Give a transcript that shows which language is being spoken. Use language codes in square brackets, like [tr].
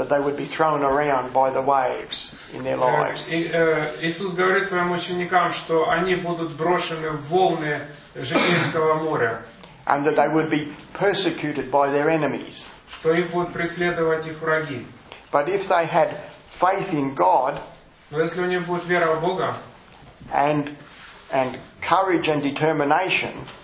[en] that they would be thrown around by the waves in their lives. [ru] Иисус говорит своим ученикам, что они будут брошены в волны Женевского моря. [en] And that they would be persecuted by their enemies. [ru] Что их будут преследовать их враги. [en] But if they had faith in God, [ru] но если у них будет вера в Бога, [en] and courage and determination,